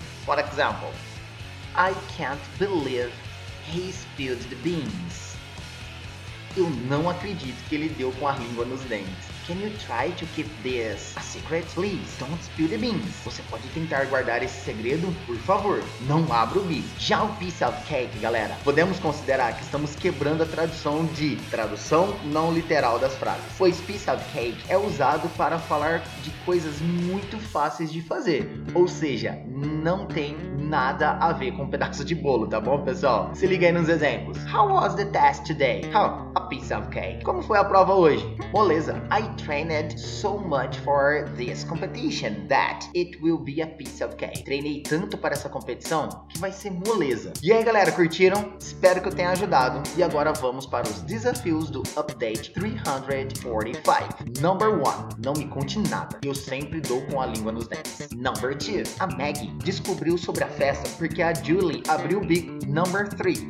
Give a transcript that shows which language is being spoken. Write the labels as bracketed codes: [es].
[en] For example, I can't believe he spilled the beans. [pt] Eu não acredito que ele deu com a língua nos dentes. [en] Can you try to keep this a secret? Please, don't spill the beans. [pt] Você pode tentar guardar esse segredo? Por favor, não abra o bico. Já o piece of cake, galera. Podemos considerar que estamos quebrando a tradução de tradução não literal das frases. Pois piece of cake é usado para falar de coisas muito fáceis de fazer. Ou seja, não tem nada a ver com um pedaço de bolo, tá bom, pessoal? Se liga aí nos exemplos. [en] How was the test today? Oh, a piece of cake. [pt] Como foi a prova hoje? Moleza. [en] I trained so much for this competition that it will be a piece of cake. [pt] Treinei tanto para essa competição que vai ser moleza. E aí, galera, curtiram? Espero que eu tenha ajudado. E agora vamos para os desafios do Update 345. Number 1. Não me conte nada. Eu sempre dou com a língua nos dentes. Number 2. A Maggie descobriu sobre a festa porque a Julie abriu o bico. Number 3.